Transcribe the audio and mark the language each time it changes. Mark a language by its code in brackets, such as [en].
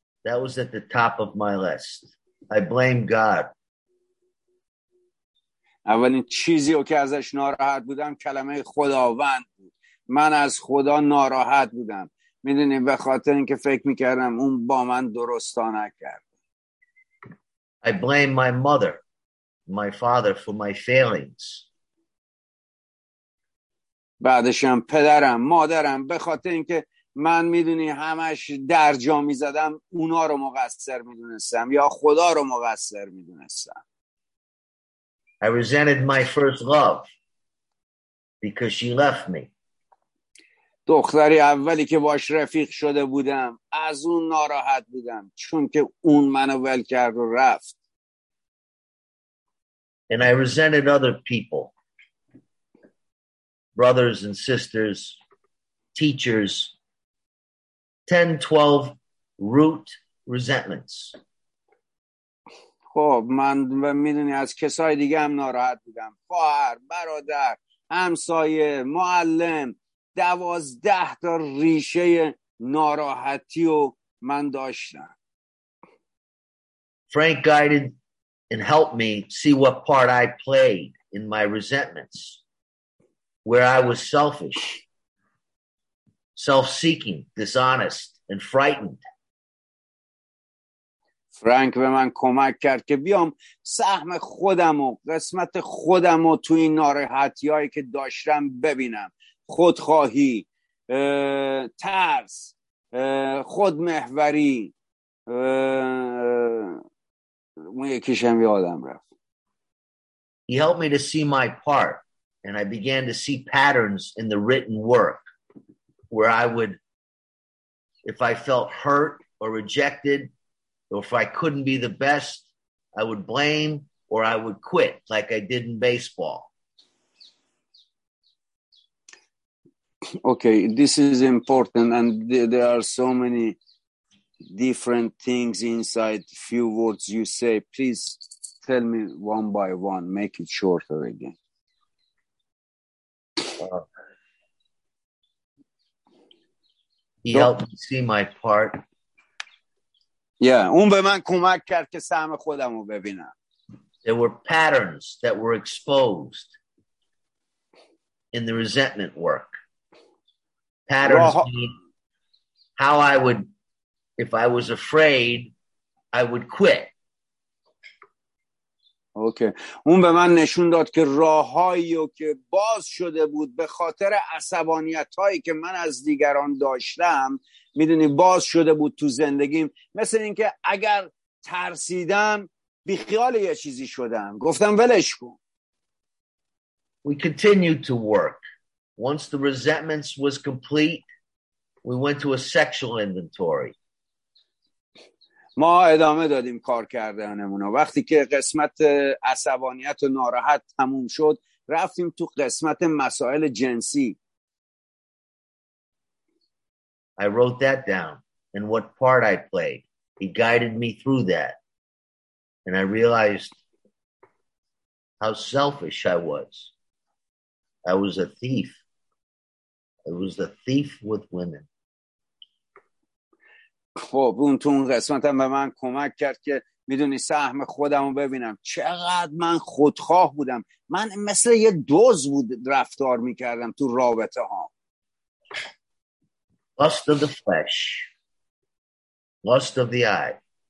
[en] That was at the top of my list. I blame God. [fa] اولین چیزی که ازش ناراحت بودم کلمه خداوند بود. من از خدا ناراحت بودم. میدونی به خاطر اینکه فکر میکردم اون با من درست نکرد. [en] I blame my mother, my father for my failings. [fa] بعدش هم پدرم، مادرم به خاطر اینکه من میدونی همش در جا میزدم اونا رو مقصر میدونستم یا خدا رو مقصر میدونستم. [en] I resented my first love because she left me. [fa] دختری اولی که باش رفیق شده بودم از اون ناراحت بودم چون که اون منو ول کرد و رفت. [en] And I resented other people. Brothers and sisters, teachers, 10-12 root resentments. [fa] خب من میدونی از کسای دیگه هم ناراحت بودم. خواهر، برادر، همسایه، معلم، 12 تا ریشه ناراحتی رو من داشتم. [en] Frank guided and helped me see what part I played in my resentments, where I was selfish, self-seeking, dishonest, and frightened. [fa] فرانك به من کمک کرد که بیام سهم خودم و قسمت خودم رو تو این ناراحتی‌هایی که داشتم ببینم. خودخواهی، ترس، خودمحوری، اون یکیشم یادم رفت. [en] He helped me to see my part and I began to see patterns in the written work where I would, if I felt hurt or rejected, or if I couldn't be the best, I would blame or I would quit, like I did in baseball. Okay, this is important, and there are so many different things inside few words you say. Please tell me one by one, make it shorter again. He helped me see my part. [fa] Yeah, اون به من کمک کرد که سهم خودم رو ببینم. [en] There were patterns that were exposed in the resentment work. Patterns mean how I would, if I was afraid, I would quit. Okay. [fa] اون به من نشون داد که راههایی که باز شده بود به خاطر عصبانیتایی که من از دیگران داشتم میدونی باز شده بود تو زندگیم، مثل اینکه اگر ترسیدم بی خیال یه چیزی شدم، گفتم ولش کن. [en] We continued to work. Once the resentments was complete, we went to a sexual inventory. [fa] ما ادامه دادیم کار کردنمون. وقتی که قسمت عصبانیت و ناراحت تموم شد رفتیم تو قسمت مسائل جنسی. [en] I wrote that down and what part I played. He guided me through that and I realized how selfish I was. I was a thief. I was the thief with women. [fa] خب اون تو اون قسمت هم به من کمک کرد که میدونی سهم خودم رو ببینم. چقدر من خودخواه بودم. من مثل یه دوز بود رفتار میکردم تو رابطه ها. [en] Lust of the flesh. Lust of the eye.